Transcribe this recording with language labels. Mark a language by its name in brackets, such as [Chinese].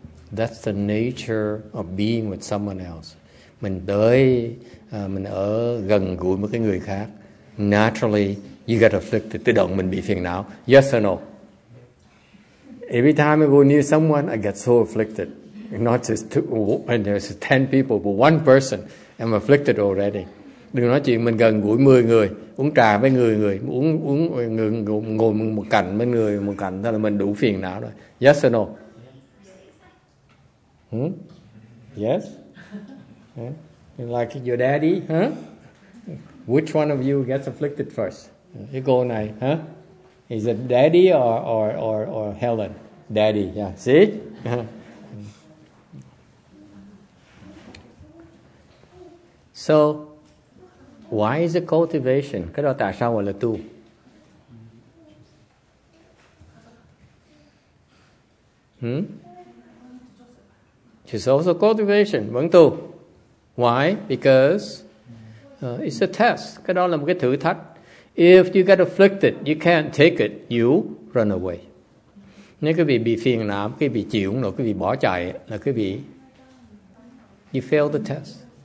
[English] That's the nature of being with someone else. [Vietnamese] Mình tới, mình ở gần gũi với cái người khác. [English] Naturally, you get afflicted. [Vietnamese] Tự động mình bị phiền não. [English] Yes or no? Every time I go near someone, I get so afflicted. Not just two, and there's 10 people, but one person. I'm afflicted already. [Vietnamese] Đừng nói chuyện mình gần gũi 10 người, uống trà với người, uống người, ngồi một cạnh với người một cạnh, thế là mình đủ phiền não rồi. [English] Yes or no? Yes? Like your daddy, huh? Which one of you gets afflicted first? You go này, huh? Is it daddy or Helen? Daddy, yeah. See? So, why is it cultivation? [Vietnamese] Cái đó tại sao gọi là tu? [English] It's also cultivation, [Vietnamese] vẫn tu. [English] Why? Because it's a test. [Vietnamese] Cái đó là một cái thử thách. [English] If you get afflicted, you can't take it. You run away. [Vietnamese] Nếu quý vị bị phiền não, quý vị chịu không nổi, quý vị bỏ chạy, là quý vị [English] you fail the test.